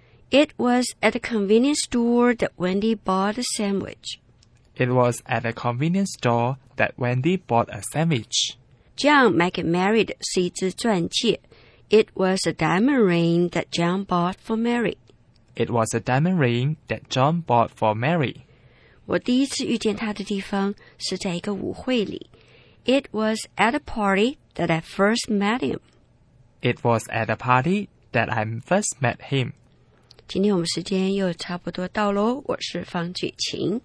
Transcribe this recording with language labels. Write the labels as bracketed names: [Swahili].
[English] It was at a convenience store that Wendy bought a sandwich. It was at a convenience store that Wendy bought a sandwich. [Chinese] John 买给 Mary 的是一只钻戒。 [English] It was a diamond ring that John bought for Mary. It was a diamond ring that John bought for Mary. [Chinese] 我第一次遇见他的地方是在一个舞会里。 [English] It was at a party that I first met him. It was at a party that I first met him. [Chinese] 今天我们时间又差不多到咯。我是方举晴。